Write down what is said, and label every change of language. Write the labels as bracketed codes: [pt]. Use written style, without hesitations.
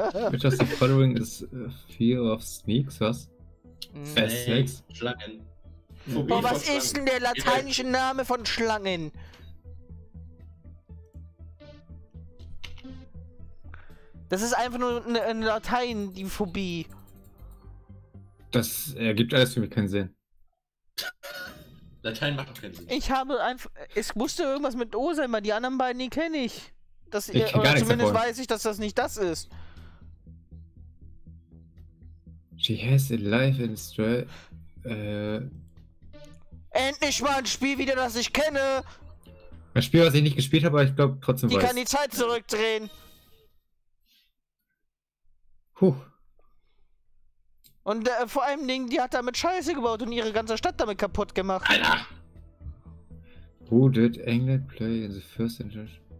[en] Which of the following is fear of snakes, [de] was? [en] Snakes? [de] Schlangen. Phobie oh, was ist denn der lateinische Name von Schlangen? Das ist einfach nur ein Latein, die Phobie. Das ergibt alles für mich keinen Sinn. Latein macht doch keinen Sinn. Ich habe einfach. Es musste irgendwas mit O sein, weil die anderen beiden, die kenne ich. Das, ich kenn gar zumindest davon. Weiß ich, dass das nicht das ist. [en] She has a life in Stray. [de] Endlich mal ein Spiel wieder, das ich kenne! Ein Spiel, was ich nicht gespielt habe, aber ich glaube trotzdem die weiß. Die kann die Zeit zurückdrehen. Puh. Und vor allem, die hat damit Scheiße gebaut und ihre ganze Stadt damit kaputt gemacht. Alter! [en] Who did England play in the first international?